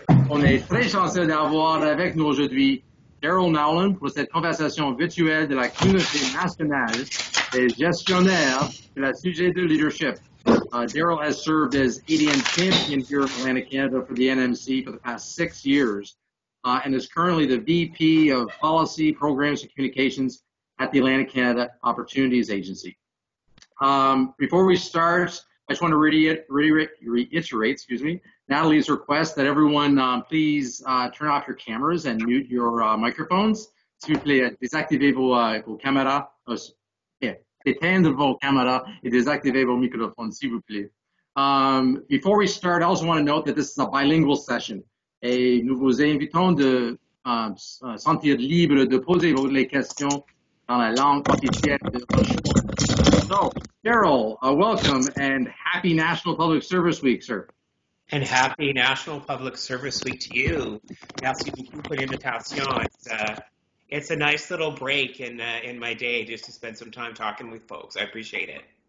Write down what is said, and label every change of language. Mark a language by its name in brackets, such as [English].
[French] On est très chanceux d'avoir avec nous aujourd'hui Daryell Nowlan pour cette conversation virtuelle de la Communauté nationale des gestionnaires de la sujet de leadership. [English] Daryell has served as ADM champion here in Atlantic Canada for the NMC for the past 6 years and is currently the VP of Policy, Programs, and Communications at the Atlantic Canada Opportunities Agency. Before we start, I just want to reiterate, Natalie's request that everyone please turn off your cameras and mute your microphones. [French] S'il vous plaît, désactivez vos caméras. Éteindre vos caméras et désactiver vos microphones, s'il vous plaît. [English] Before we start, I also want to note that this is a bilingual session. [French] Et nous vous invitons de sentir libre de poser vos questions dans la langue officielle de votre choix. [English] So, Daryell, welcome and happy National Public Service Week, sir. And happy National Public Service Week to you. [French] Merci beaucoup pour l'invitation. [English] It's a nice little break in my day just to spend some time talking with folks. I appreciate it.